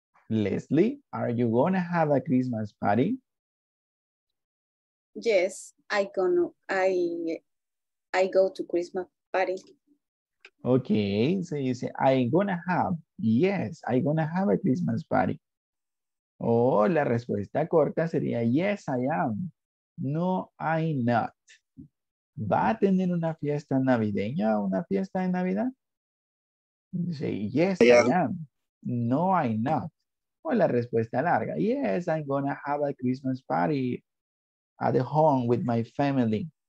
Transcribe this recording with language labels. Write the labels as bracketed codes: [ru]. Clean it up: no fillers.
[en] Leslie, are you going to have a Christmas party? Yes, I go to Christmas party. Okay, so you say, I'm gonna have a Christmas party. [es] Oh, la respuesta corta sería, yes, I am. No, I not. ¿Va a tener una fiesta navideña, una fiesta de Navidad? [en] Say, yes, I am. No, I not. O la respuesta larga, yes, I'm gonna have a Christmas party at the home with my family.